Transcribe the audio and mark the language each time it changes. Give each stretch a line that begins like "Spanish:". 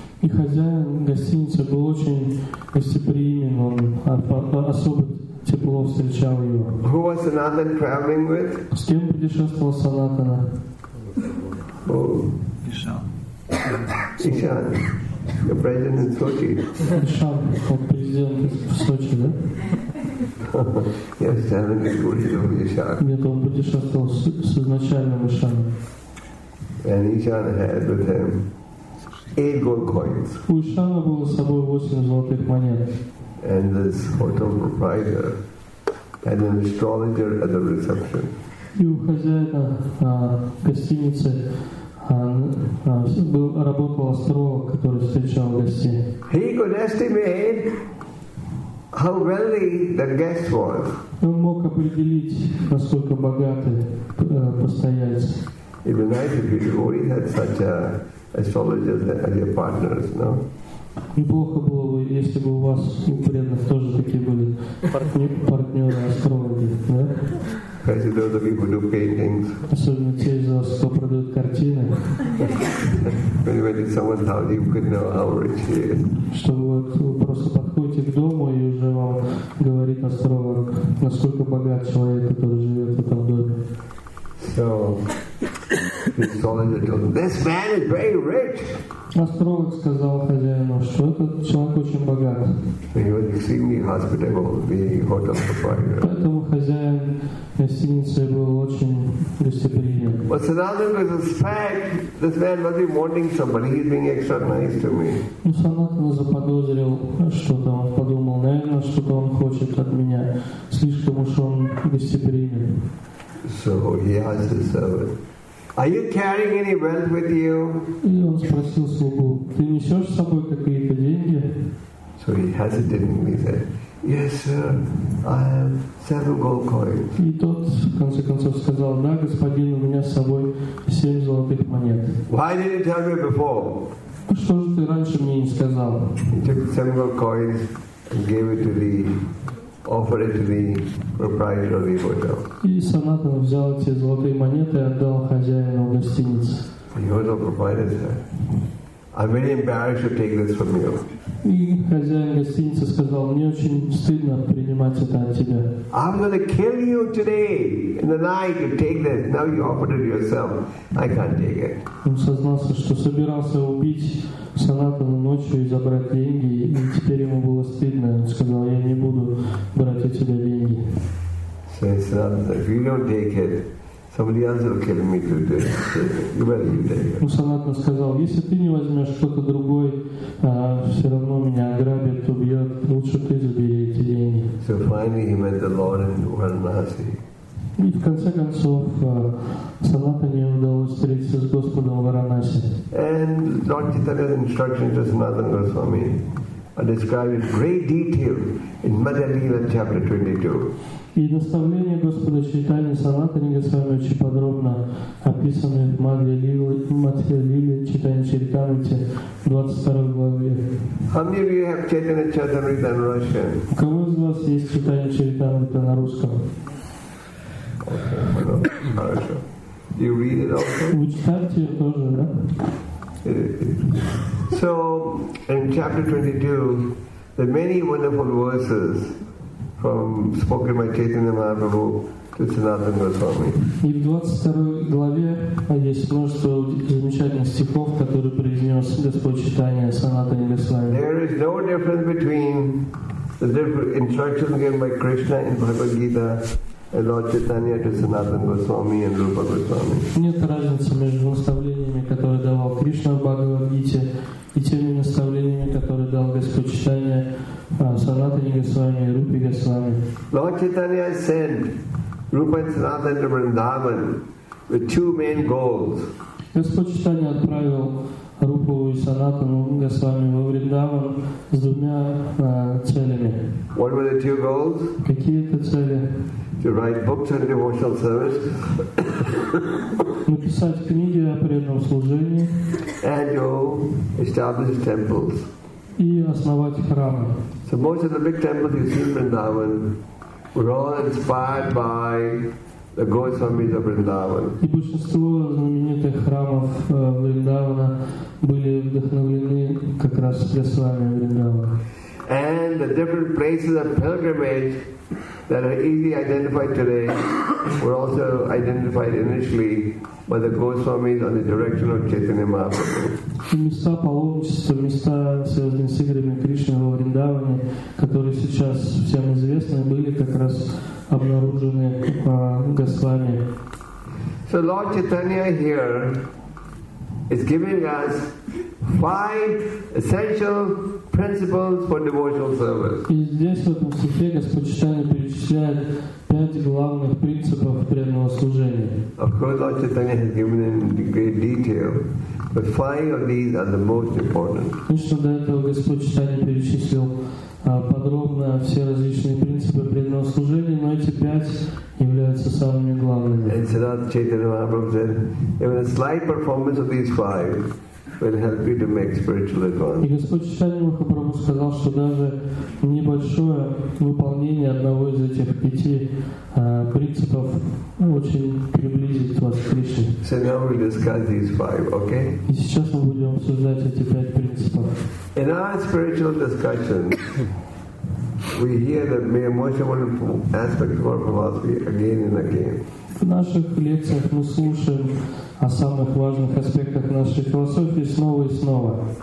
Russian: И хозяин гостиницы был очень гостеприимен, он особо тепло встречал его.
English: Who was Sanatan traveling with?
Russian: С кем путешествовал Санатана?
English: Ishan, the president in Sochi. Ishan, the president in Sochi,
Russian: да?
English: Yes, Ishan, the president in Sochi.
Russian: Нет, он путешествовал с начальным Ishanом.
English: And Ishan had with him 8 gold coins.
Russian: У Ishana было с собой 8 золотых монет.
English: And this hotel proprietor had an astrologer at the reception.
Russian: И у хозяина гостиницы работал астролог, который встречал гостей.
English: He could estimate how wealthy the guest was.
Russian: Он мог определить, насколько богатый постоялец.
English: It would be nice if your devotees had such a astrologers as your partners, no?
Russian: Неплохо было бы, если бы у вас у преданных тоже такие были партнеры-астрологи, да?
English: Especially those of you who do paintings.
Russian: Особенно те из вас, кто продает картины.
English: When you went to someone's house, you could know how rich he is.
Russian: Что вот вы просто подходите к дому, и уже вам говорит астролог, насколько богат человек, который живет в этом доме.
English: So, the astrologer told him, this man is very rich.
Russian: Астролог сказал хозяину, что этот человек очень богат.
English: He was extremely hospitable, being hotel proprietor.
Russian: Поэтому хозяин гостиницы был очень гостеприимен.
English: But Sanatana was a fact. This man must be wanting somebody. He's being extra nice to me.
Russian: Но Санатана заподозрил что-то. Он подумал, наверное, что-то он хочет от меня. Слишком уж он гостеприимен.
English: So he asked his servant, are you carrying any wealth with you?
Russian: И он спросил слугу, ты несешь с собой какие-то деньги?
English: So he hesitantly said, yes, sir, I have 7 gold coins.
Russian: И тот, в конце концов, сказал, да, господин, у меня с собой 7 золотых монет.
English: Why didn't you tell me before?
Russian: Что же ты раньше мне не сказал?
English: He took 7 gold coins and gave it to the offered it to the proprietor of the hotel.
Russian: И Санатана взял эти золотые монеты и отдал хозяину гостиницы.
English: The hotel proprietor said, I'm very embarrassed to take this from you.
Russian: И хозяин гостиницы сказал, мне очень стыдно принимать это от тебя.
English: I'm going to kill you today in the night to take this. Now you offered it yourself. I can't take it.
Russian: Он сознался, что собирался убить Санатану ночью и забрать деньги, и теперь ему было стыдно. Он сказал, я не себя деньги.
English: So it's not that if you know dickhead, somebody else will kill me to do it.
Russian: Мусанатна сказал, если ты не возьмешь что-то другое, все равно меня ограбят, убьет, лучше ты забери эти деньги.
English: So finally he met the Lord in Varanasi.
Russian: И в конце концов Санатане удалось встретиться с Господом в Варанаси.
English: And Lord Chaitanya's instruction to Sanatana Goswami are described in great detail in Madhavila chapter 22.
Russian: И наставления Господа Чайтаньи Санатаны Госвами очень подробно описаны в Матхья-лиле Чайтанья Чаритамрите, 22 главе.
English: How many of you have Chaitanya Charitamrita in Russian?
Russian: У кого из вас есть Чайтанья Чаритамрита на русском?
English: Okay, well,
Russian: хорошо.
English: You read it also?
Russian: Вы читаете ее тоже, да?
English: So, in chapter 22, there are many wonderful verses from spoken by Chaitanya Mahaprabhu to Sanatana Goswami.
Russian: И в 22 главе есть множество замечательных стихов, которые произнес Господь Чайтанья Санатана Госвами.
English: There is no difference between the different instructions given by Krishna in Bhagavad Gita and Lord Chaitanya to Sanatana Goswami and Rupa Goswami.
Russian: Нет разницы между наставлениями, которые давал Кришна в Бхагавад Гите, и теми наставлениями, которые дал Господь Чайтанья Санатане Госвами и Рупе Госвами.
English: Lord Chaitanya sent Rupa and Sanatana to Vrindavan with two main goals.
Russian: Господь Чайтанья отправил Рупу и Санатану Госвами во Вриндаван с двумя целями.
English: What were the two goals?
Russian: Какие это цели?
English: To write books on devotional service.
Russian: Написать книги о преданном служении.
English: And to establish temples.
Russian: И основать храмы.
English: So most of the big temples you see in Vrindavan were all inspired by the Goswamis of Vrindavan.
Russian: И большинство знаменитых храмов Вриндавана были вдохновлены как раз Госвами Вриндавана.
English: And the different places of pilgrimage that are easily identified today were also identified initially by the Goswamis on the direction of Chaitanya Mahaprabhu.
Russian: Места паломничества, места, связанные с играми Кришны во Вриндаване, которые сейчас всем известны, были как раз обнаружены Госвами.
English: So Lord Chaitanya here is giving us five essential principles for devotional service.
Russian: И здесь в этом стихе Господь Чайтанья перечисляет пять главных принципов преданного служения.
English: Of course, Lord Chaitanya has given them in great detail, but five of these are the most important.
Russian: Конечно, до этого Господь Чайтанья перечислил подробно все различные принципы преданного служения, но эти пять являются самыми главными.
English: And Siddhartha Chaitanya Mahaprabhu said, even a slight performance of these five will help you to make spiritual advance.
Russian: И Господь Чайтанья Махапрабху сказал, что даже небольшое выполнение одного из этих пяти принципов очень приблизит вас к Кришне.
English: So now we discuss these five, okay?
Russian: И сейчас мы будем обсуждать эти пять принципов.
English: In our spiritual discussion, we hear the most important aspect of our philosophy again and again.
Russian: В наших лекциях мы слушаем о самых важных аспектах нашей философии снова и снова.